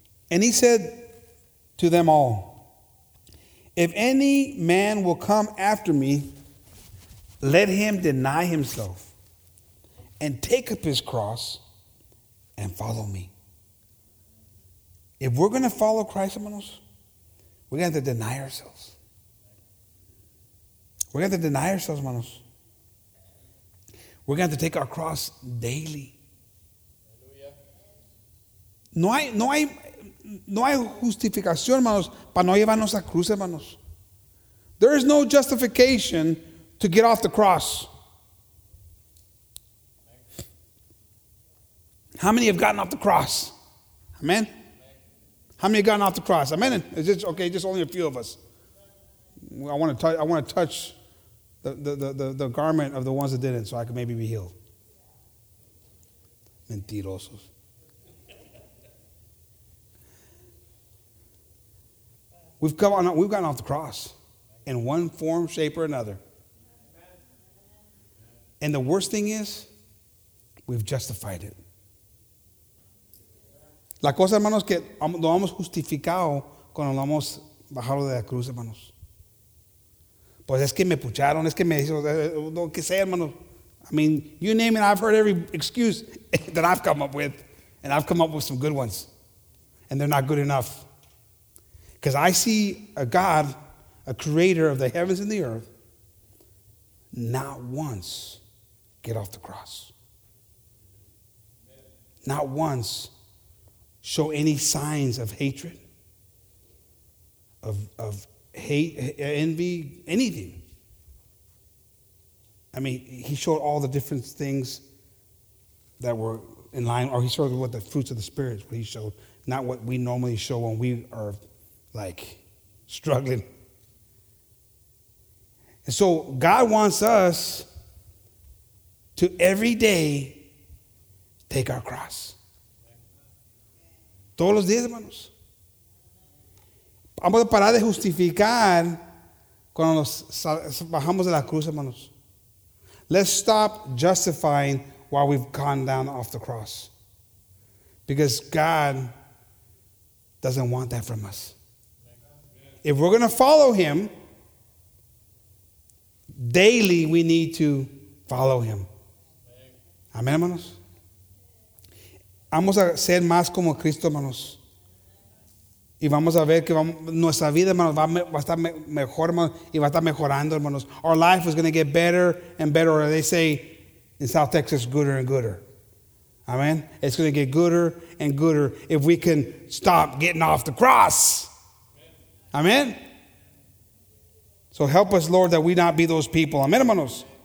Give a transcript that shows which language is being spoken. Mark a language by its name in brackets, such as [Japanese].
[English] And he said to them all, if any man will come after me, let him deny himself and take up his cross and follow me. If we're going to follow Christ, hermanos, we're going to have to deny ourselves. We're going to have to deny ourselves, hermanos. We're going to have to take our cross daily. [Spanish] No hay justificación, hermanos, para no llevarnos a cruz, hermanos. [English] There is no justification to get off the cross. How many have gotten off the cross? Amen? How many have gotten off the cross? Amen? Is it okay? Just only a few of us. I want to touch the garment of the ones that didn't so I can maybe be healed. [Spanish] Mentirosos. [English] We've gotten off the cross in one form, shape, or another. And the worst thing is, we've justified it. [Spanish] La cosa, hermanos, que lo hemos justificado cuando lo hemos bajado de la cruz, hermanos. Pues es que me pucharon, es que me hizo, no, que sea, hermanos. [English] I mean, you name it, I've heard every excuse that I've come up with. And I've come up with some good ones. And they're not good enough. Because I see a God, a creator of the heavens and the earth, not once get off the cross. Amen. Not once show any signs of hatred, of hate, envy, anything. I mean, he showed all the different things that were in line, or he showed what the fruits of the Spirit, what he showed, not what we normally show when we are like struggling. And so God wants us to every day take our cross. [Spanish] Todos los días, hermanos. Vamos a parar de justificar cuando nos bajamos de la cruz, hermanos. [English] Let's stop justifying why we've gone down off the cross. Because God doesn't want that from us. If we're going to follow him, daily we need to follow him. Amén, hermanos. [Spanish] Vamos a ser más como Cristo, hermanos. Y vamos a ver que nuestra vida, hermanos, va a estar mejor, hermanos, y va a estar mejorando, hermanos. [English] Our life is going to get better and better. Or they say in South Texas, gooder and gooder. Amen. It's going to get gooder and gooder if we can stop getting off the cross. Amen. So help us, Lord, that we not be those people. Amen, hermanos.